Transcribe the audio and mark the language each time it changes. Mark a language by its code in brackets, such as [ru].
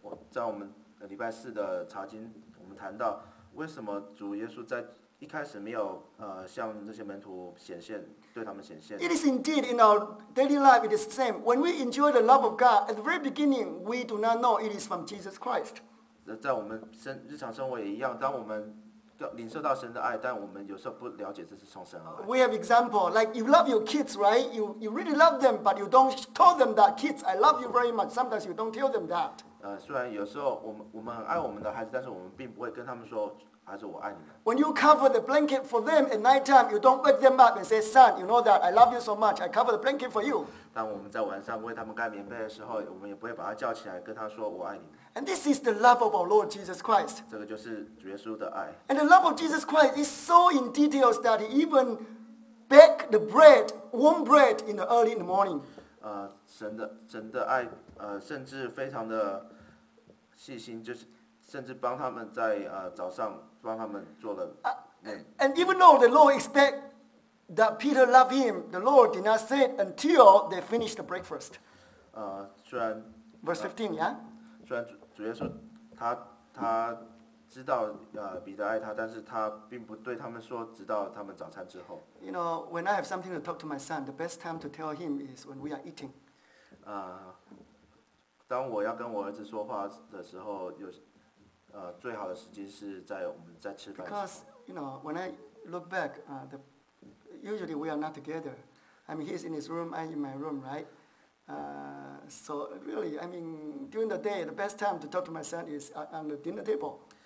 [zh] 在我们礼拜四的查经，我们谈到为什么主耶稣在一开始没有向这些门徒显现。 [en] It is indeed in our daily life. It is the same. When we enjoy the love of God at the very beginning, we do not know it is from Jesus Christ. [zh] 在我们日常生活也一样，当我们领受到神的爱，但我们有时候不了解这是从神而来。 [en] We have example like you love your kids, right? You really love them, but you don't tell them that kids, I love you very much. Sometimes you don't tell them that. [zh] 虽然有时候我们很爱我们的孩子，但是我们并不会跟他们说。 [en] When you cover the blanket for them at night time, you don't wake them up and say, "Son, you know that I love you so much. I cover the blanket for you." [zh] 当我们在晚上为他们盖棉被的时候，我们也不会把他叫起来，跟他说我爱你。 [en] And this is the love of our Lord Jesus Christ. [zh] 这个就是主耶稣的爱。 [en] And the love of Jesus Christ is so in details that He even baked the bread, warm bread, in the early in the morning. [zh] 神的爱，甚至非常的细心，就是。甚至帮他们在早上帮他们做了。 [en] And even though the Lord expect that Peter love him, the Lord did not say it until they finished the breakfast. [zh] 虽然 [en] verse 15, yeah. [zh] 虽然主耶稣他知道彼得爱他，但是他并不对他们说，直到他们早餐之后。 [en] You know, when I have something to talk to my son, the best time to tell him is when we are eating. [zh] 当我要跟我儿子说话的时候，有。最好的时机是在我们在吃饭的时候。 [en] Because you know, when I look back, the usually we are not together. I mean, he's in his room, I'm in my room, right? So really, I mean, during the day, the best time to talk to my son is on the dinner table.